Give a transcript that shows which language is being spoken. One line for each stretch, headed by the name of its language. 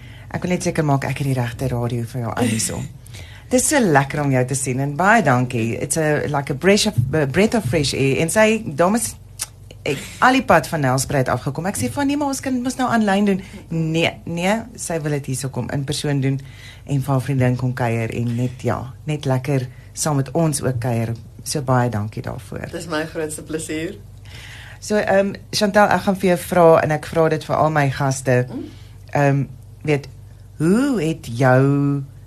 Afrikaans: Ek wil net seker maak ek het die regte radio vir jou aan hier so. Dis so lekker om jou te sien en baie dankie.
English: It's a like a breath of fresh air.
Afrikaans: En sê, dames, ek al die pad van Nelspruit afgekom. Ek sê van nie, maar ons kan mos nou aanlyn doen. Nee, sy wil dit hierso kom in persoon doen. En van vriendin kom kuier en net ja, net lekker saam met ons ook kuier. So baie dankie daarvoor. Dis my grootste plesier. So Chantel, ek gaan vir jou vra en ek vra dit vir al my gaste. Weet, hoe het jou